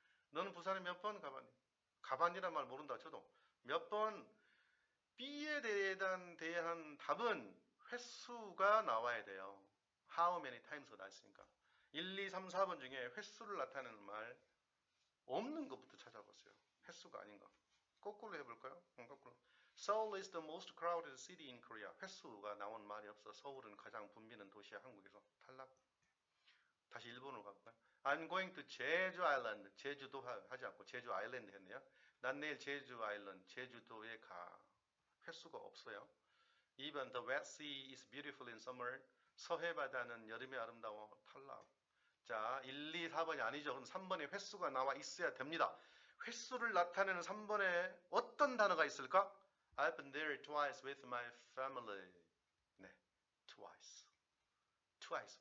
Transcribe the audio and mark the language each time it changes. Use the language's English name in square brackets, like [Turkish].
[Korean] 너는 부산에 몇번 가봤니? 가봤니란 말 모른다 쳐도 몇번 B에 대한 답은 횟수가 나와야 돼요. [English] How many times가 나왔으니까. [Korean] 1, 2, 3, 4번 중에 횟수를 나타내는 말 없는 것부터 찾아보세요. 횟수가 아닌 거. 거꾸로 해볼까요? 거꾸로. [English] Seoul is the most crowded city in Korea. [Korean] 횟수가 나온 말이 없어. 서울은 가장 붐비는 도시야. 한국에서. 탈락. 다시 일본으로 가볼까요? [English] I'm going to 제주 아일랜드. [Korean] 제주도 하지 않고 제주 아일랜드 했네요. 난 내일 제주 아일랜드, 제주도에 가. 횟수가 없어요. [English] 2번, the wet sea is beautiful in summer. [Korean] 서해 바다는 여름에 아름다워. 탈락. 자, 1, 2, 4번이 아니죠. 그럼 3번에 횟수가 나와 있어야 됩니다. 횟수를 나타내는 3번에 어떤 단어가 있을까? [English] I've been there twice with my family. 네, twice. twice.